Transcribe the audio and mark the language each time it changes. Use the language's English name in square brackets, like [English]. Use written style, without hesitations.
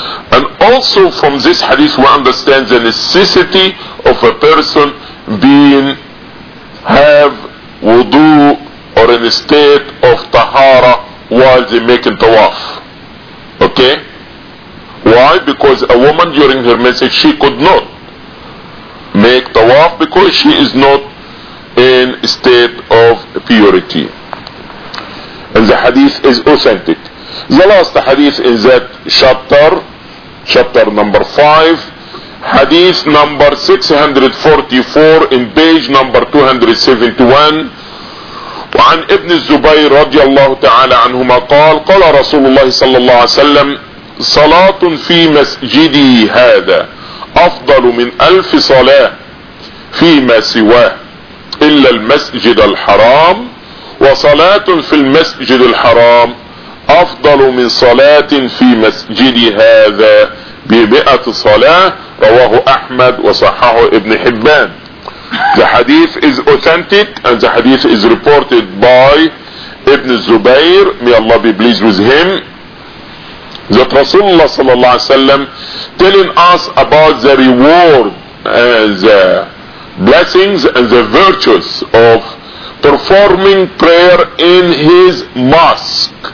[English] And also from this hadith we understand the necessity of a person being, have wudu or in a state of tahara while they're making tawaf. Okay? Why? Because a woman during her menses, she could not make tawaf because she is not in a state of purity. And the hadith is authentic. The last hadith in that chapter, chapter number 5, hadith number 644 in page number 271, [Arabic] وعن ابن الزبير رضي الله تعالى عنهما قال قال رسول الله صلى الله عليه وسلم صلاة في مسجدي هذا أفضل من ألف صلاة فيما سواه إلا المسجد الحرام وصلاة في المسجد الحرام أفضل من صلاة في مسجدي هذا بمئة صلاة رواه أحمد وصححه ابن حبان. [English] The hadith is authentic and the hadith is reported by Ibn Zubayr, may Allah be pleased with him, that Rasulullah sallallahu alaihi wasallam telling us about the reward and the blessings and the virtues of performing prayer in his mosque.